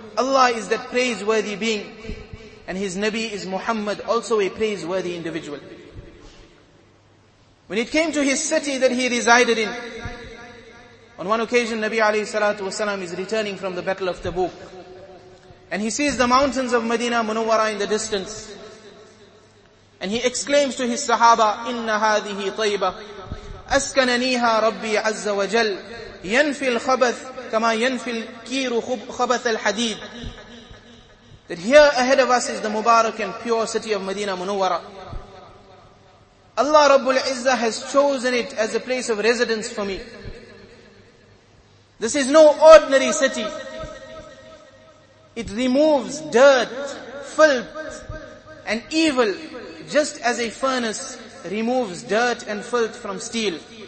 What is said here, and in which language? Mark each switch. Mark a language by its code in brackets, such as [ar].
[en] Allah is that praiseworthy being. And His Nabi is Muhammad, also a praiseworthy individual. When it came to His city that He resided in, on one occasion Nabi alayhi salatu wasalam is returning from the battle of Tabuk. And he sees the mountains of Medina Munawwara in the distance. And he exclaims to his sahaba, [ar] إِنَّ هَذِهِ طَيْبَةٌ أَسْكَنَنِيهَا رَبِّي عَزَّ وَجَلٌ يَنْفِي الْخَبَثْ كَمَا يَنْفِي الْكِيرُ خَبَثَ الْحَدِيدِ. [en] That here ahead of us is the Mubarak and pure city of Medina Munawwara. Allah Rabbul Izzah has chosen it as a place of residence for me. This is no ordinary city. It removes dirt, filth, and evil just as a furnace removes dirt and filth from steel.